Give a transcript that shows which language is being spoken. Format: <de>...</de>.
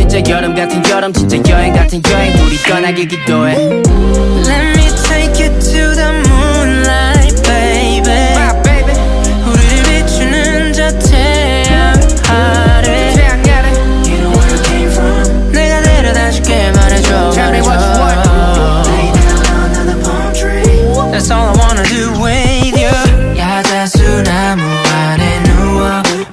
<ko>진짜 여름 같은 여름, 진짜 여행 같은 여행. 우리 떠나기 기도해.</ko> <en>Let me take you to the moonlight, baby. Wow, baby.</en> <ko>우리를 비추는 저 태양 아래. 태양 아래.</ko> <en>You know where I came from.</en> <ko>내가 데려다 줄게 말해줘.</ko> <en>Tell me what you want. Lay down under the palm tree. That's all I wanna do with you.</en> <ko>야자수 나무 아래 누워.</ko>